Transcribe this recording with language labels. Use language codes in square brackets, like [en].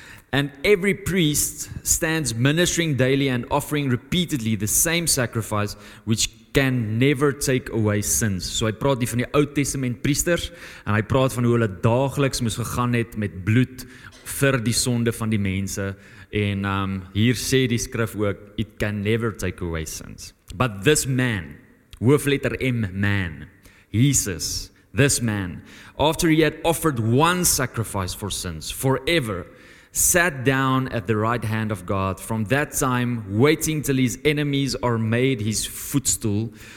[en] And every priest stands ministering daily and offering repeatedly the same sacrifice which can never take away sins. [af] So hy praat hier van die Ou Testament priesters en hy praat van hoe hulle daagliks moes gegaan het met bloed vir die sonde van die mense. En hier sê die skrif ook, [en] it can never take away sins. But this man, [af] hoofletter M, [en] man, Jesus, this man, after he had offered one sacrifice for sins forever, sat down at the right hand of God from that time, waiting till his enemies are made his footstool.